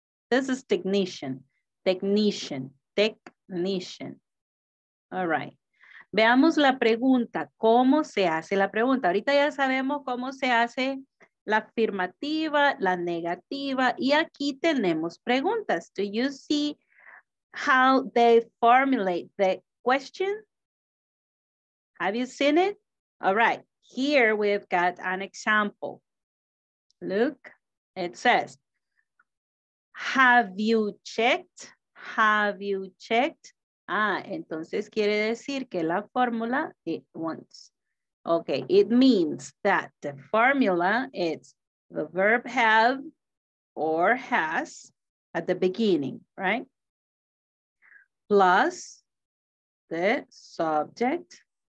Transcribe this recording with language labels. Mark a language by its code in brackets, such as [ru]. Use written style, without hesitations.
[en] This is technician. Technician. Technician. All right. [es] Veamos la pregunta. ¿Cómo se hace la pregunta? Ahorita ya sabemos cómo se hace la afirmativa, la negativa. Y aquí tenemos preguntas. [en] Do you see how they formulate the question? Have you seen it? All right. Here we've got an example. Look. It says, have you checked? Have you checked? [es] Ah, entonces quiere decir que la fórmula, [en] it wants. Okay, it means that the formula is the verb have or has at the beginning, right? Plus the subject.